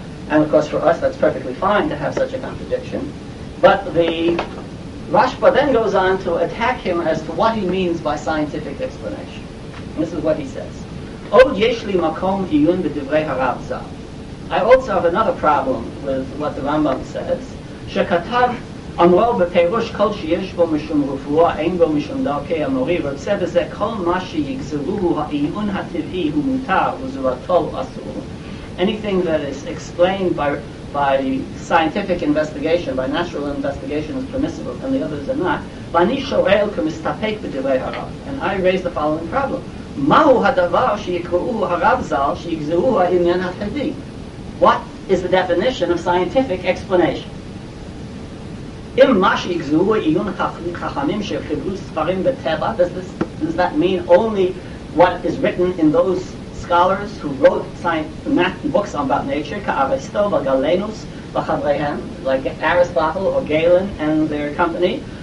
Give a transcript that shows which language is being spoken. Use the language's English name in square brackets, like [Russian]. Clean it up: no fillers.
[English] And of course for us that's perfectly fine to have such a contradiction. But the Rashba then goes on to attack him as to what he means by scientific explanation. And this is what he says. [Hebrew] Od yesh li makom iyun b'divrei harav zal. [English] I also have another problem with what the Rambam says. [Hebrew] שכתב אמרו בפירוש כל שיש בו משום רפואה אין בו משום דרכי המורי ורוצה בזה כל מה שיגזרו העיון הטבעי הוא מותר וזורתו אסור. [English] Anything that is explained by scientific investigation, by natural investigation is permissible and the others are not. [Hebrew] ואני שואל כמסתפק בדברי הרב. [English] And I raise the following problem. [Hebrew] מהו הדבר שיקראו הרב זל שיגזרו העניין הטבעי? [English] What is the definition of scientific explanation? [Hebrew] אם מה שיגזרו עיון חכמים שחיברו ספרים בטבע, [English] does that mean only what is written in those scholars who wrote books about nature, [Hebrew] כאריסטו וגלנוס וחבריהם, [English] like Aristotle or Galen and their company?